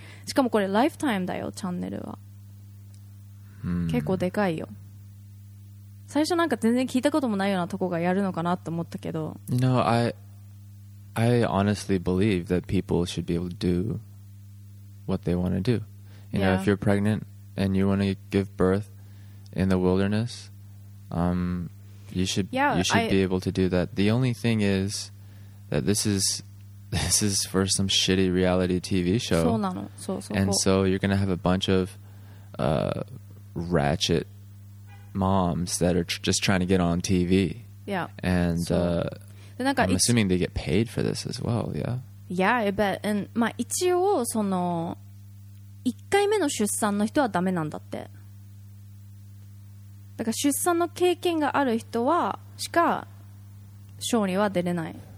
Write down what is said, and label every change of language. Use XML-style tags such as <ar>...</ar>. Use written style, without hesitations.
<ja>しかもこれライフタイムだよチャンネルは。結構でかいよ。最初なんか全然聞いたこともないようなとこがやるのかなと思ったけど。</ja> <en>You know, I honestly believe that people should be able to do what they want to do. You know, if you're pregnant and you want to give birth in the wilderness, you should be able to do that. The only thing is that this is for some shitty reality TV show.</en> <ja>そうなの。そうそう。</ja> <en>And so you're gonna have a bunch of ratchet moms that are just trying to get on TV. Yeah. And</en> <ja>でなんか</ja> <en>I'm assuming they get paid for this as well, yeah? Yeah, I bet.</en> <ja>And, まあ一応その1回目の出産の人はダメなんだって。だから出産の経験がある人はしかショーには出れない。</ja>